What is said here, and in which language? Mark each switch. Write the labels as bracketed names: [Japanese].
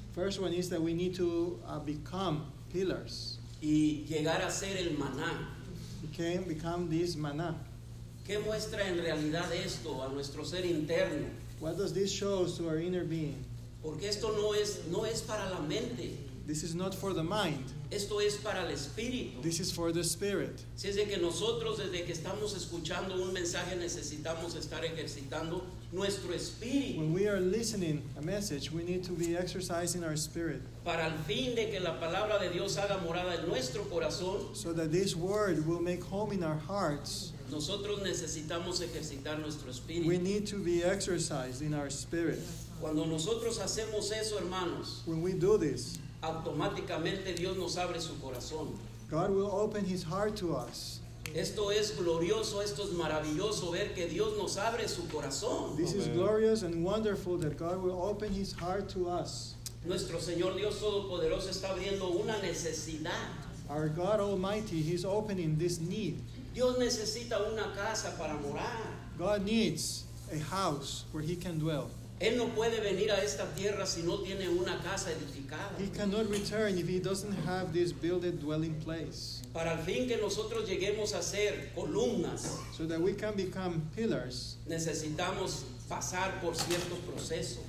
[English] First one is that we need to become pillars. [Spanish] Y llegar a ser el maná. [English] Okay, become this maná. [Spanish] ¿Qué muestra en realidad esto a nuestro ser interno? [English] What does this show to our inner being? [Spanish] Porque esto no es para la mente. [English] This is not for the mind. [Spanish] Esto es para el espíritu. [English] This is for the spirit. [Spanish] Si es de que nosotros, desde que estamos escuchando un mensaje, necesitamos estar ejercitando nuestro espíritu. [English] When we are listening a message, we need to be exercising our spirit. [Spanish] Para el fin de que la palabra de Dios haga morada en nuestro corazón. [English] So that this word will make home in our hearts. [Spanish] Nosotros necesitamos ejercitar nuestro espíritu. [English] We need to be exercised in our spirit. [Spanish] Cuando nosotros hacemos eso, hermanos, [English] when we do this, [Spanish] automáticamente Dios nos abre su corazón. [English] God will open his heart to us. [Spanish] Esto es glorioso, esto es maravilloso ver que Dios nos abre su corazón. [English] This is glorious and wonderful that God will open his heart to us. [Spanish] Nuestro Señor Dios Todopoderoso está abriendo una necesidad. [English] Our God Almighty, he's opening this need. [Spanish] Dios necesita una casa para morar. [English] God needs a house where he can dwell. [Spanish] Él no puede venir a esta tierra si no tiene una casa edificada. [English] He cannot return if he doesn't have this builded dwelling place. [Spanish] Para el fin que nosotros lleguemos a ser columnas, [English] so that we can become pillars, [Spanish] necesitamos pasar por ciertos procesos.